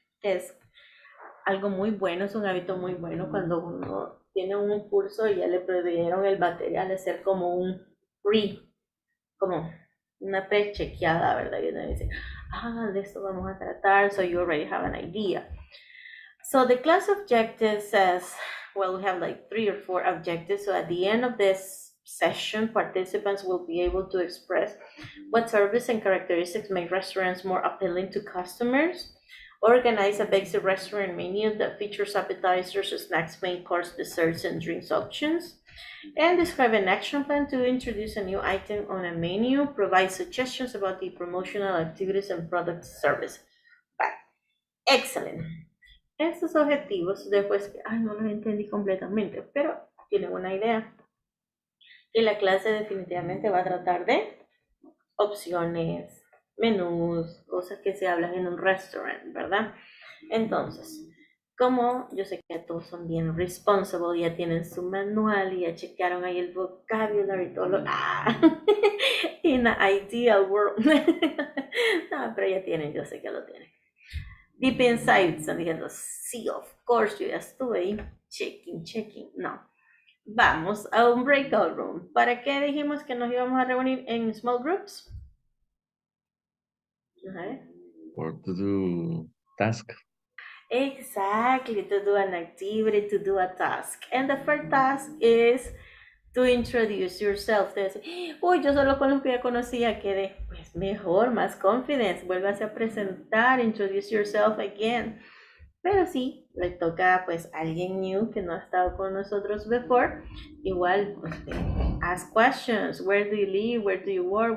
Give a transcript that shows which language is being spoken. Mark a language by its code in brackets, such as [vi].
[es] Es algo muy bueno, es un hábito muy bueno cuando uno tiene un curso y ya le previeron el material, hacer como un pre, como una pre-chequeada, ¿verdad? Y uno dice, ah, de esto vamos a tratar, [en] so you already have an idea. So the class objective says, well, we have like 3 or 4 objectives, so at the end of this session, participants will be able to express what service and characteristics make restaurants more appealing to customers. Organize a basic restaurant menu that features appetizers, snacks, main course, desserts, and drinks options. And describe an action plan to introduce a new item on a menu. Provide suggestions about the promotional activities and product service. Bye. Excellent. [es] Estos objetivos, después que, ay, no los entendí completamente, pero tienen una idea. Y la clase definitivamente va a tratar de opciones. Menús, cosas que se hablan en un restaurant, ¿verdad? Entonces, como yo sé que todos son bien responsible, ya tienen su manual y ya chequearon ahí el vocabulary y todo lo... ¡Ah! [en] In the ideal world. [es] No, pero ya tienen, yo sé que lo tienen. [en] Deep inside, [es] están diciendo, sí, [en] of course, [es] yo ya estuve ahí, checking. No. Vamos a un breakout room. ¿Para qué dijimos que nos íbamos a reunir en [en] small groups? Uh-huh. Or to do task. Exactly, to do an activity, to do a task. And the first task is to introduce yourself. To say, [es] uy, yo solo con los que ya conocía quedé, pues mejor, más confidence. Vuélvase a presentar, [en] introduce yourself again. [es] Pero sí, le toca pues alguien new que no ha estado con nosotros before. Igual, pues, [en] ask questions. Where do you live? Where do you work?